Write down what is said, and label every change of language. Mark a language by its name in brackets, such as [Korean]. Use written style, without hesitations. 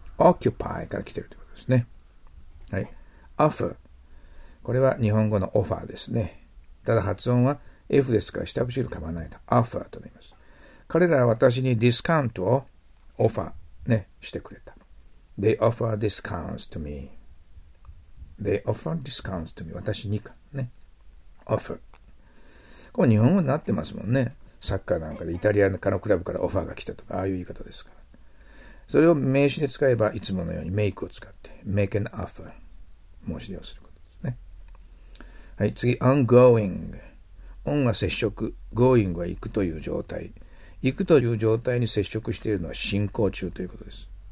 [Japanese] occupy から来ているということですね。はい。offer。これは日本語の offer ですね。ただ発音はF ですから下振る構わないと。 offer と言います。彼らは私にディスカウントをオファー、ね、してくれた。 [English] They offer discounts to me. They offer discounts to me. [Japanese] 私にか。ね。 [English] offer。 [Japanese] 構日本語になってますもんね。サッカーなんかでイタリアのクラブからオファーが来たとか、ああいう言い方ですから。それを名詞で使えばいつものようにメイクを使って [English] make an offer、 [Japanese] 申し出をすることですね。はい、次 ongoing。 on が接触、 going は行くという状態、行くという状態に接触しているのは進行中ということです。